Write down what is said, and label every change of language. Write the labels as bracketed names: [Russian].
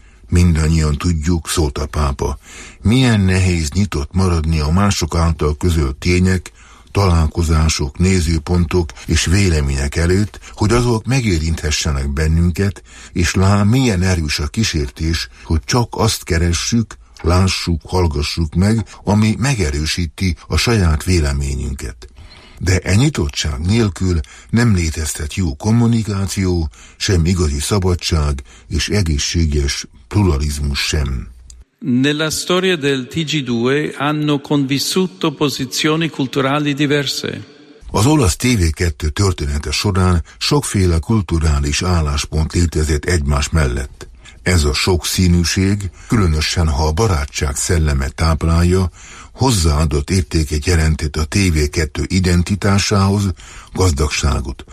[Hungarian] Mindannyian tudjuk, szólt a pápa, milyen nehéz nyitott maradni a mások által közölt tények, találkozások, nézőpontok és vélemények előtt, hogy azok megérinthessenek bennünket, és lám milyen erős a kísértés, hogy csak azt keressük, lássuk, hallgassuk meg, ami megerősíti a saját véleményünket. De e nyitottság nélkül nem létezhet jó kommunikáció, sem igazi szabadság és egészséges pluralizmus sem. [Italian] Nella storia del TG2 hanno convissuto posizioni culturali diverse. [Hungarian] Az olasz TV2 története során sokféle kulturális álláspont létezett egymás mellett. Ez a sokszínűség, különösen ha a barátság szelleme táplálja, hozzáadott értéket jelentett a TV2 identitásához, gazdagságot.